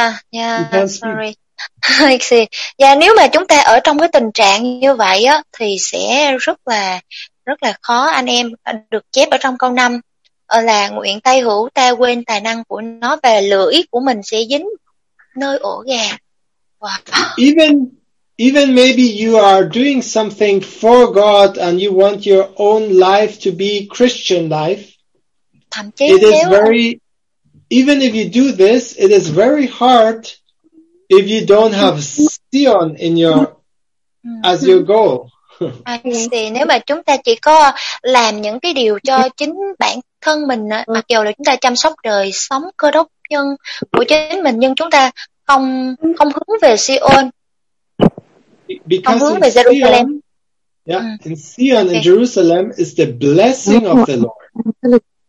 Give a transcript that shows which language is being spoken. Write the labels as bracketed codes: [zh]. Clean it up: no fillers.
[vi] Yeah, nếu mà chúng ta ở trong cái tình trạng như vậy á, thì sẽ rất là khó anh em. Được chép ở trong câu 5 là nguyện tay hữu ta quên tài năng của nó và lưỡi của mình sẽ dính nơi ổ gà. [en] Wow. Even maybe you are doing something for God and you want your own life to be Christian life. [vi] Thậm chí [en] Even if you do this, it is very hard if you don't have Zion in your as your goal. [vi] Thì nếu mà chúng ta chỉ có làm những cái điều cho chính bản thân mình, mặc dù là chúng ta chăm sóc đời sống Cơ Đốc nhân của chính mình, nhưng chúng ta không hướng về Zion, không hướng về Jerusalem. [en] Yeah, in Zion and Jerusalem is the blessing of the Lord.